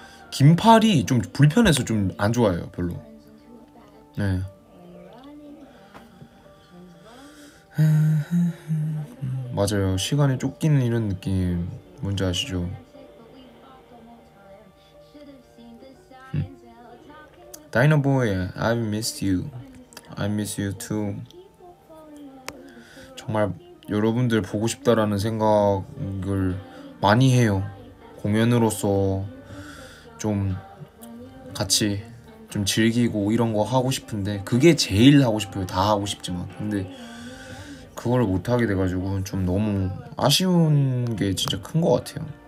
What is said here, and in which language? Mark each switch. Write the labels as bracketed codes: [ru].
[ko] 긴팔이 좀 불편해서 좀안 좋아해요, 별로. 네. 맞아요. 시간이 쫓기는 이런 느낌 뭔지 아시죠? [en] 다이너보이, I miss you too. [ko] 정말 여러분들 보고 싶다라는 생각을 많이 해요. 공연으로서 좀 같이 좀 즐기고 이런 거 하고 싶은데 그게 제일 하고 싶어요. 다 하고 싶지만. 근데 그걸 못하게 돼가지고 좀 너무 아쉬운 게 진짜 큰거 같아요.